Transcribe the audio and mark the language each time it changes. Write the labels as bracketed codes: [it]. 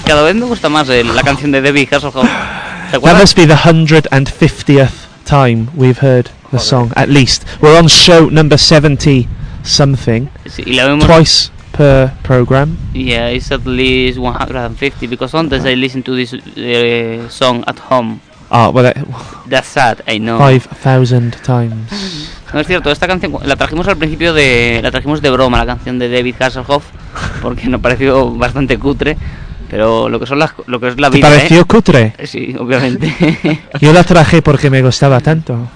[es] Cada vez me gusta más la canción de Debbie Hasselhoff. [en] That must be the 150th time we've heard the song, at least. We're on show number 70-something. [es] Sí, y la vemos [en] twice per program. Yeah, it's at least 150, because sometimes I listen to this song at home. Ah, well, that's sad, I know. 5,000 times. [es] No, es cierto, esta canción la trajimos al principio de... La trajimos de broma, la canción de David Hasselhoff, porque nos pareció bastante cutre, pero lo que son las, lo que es la ¿te vida, ¿te pareció cutre? Sí, obviamente. Yo la traje porque me gustaba tanto.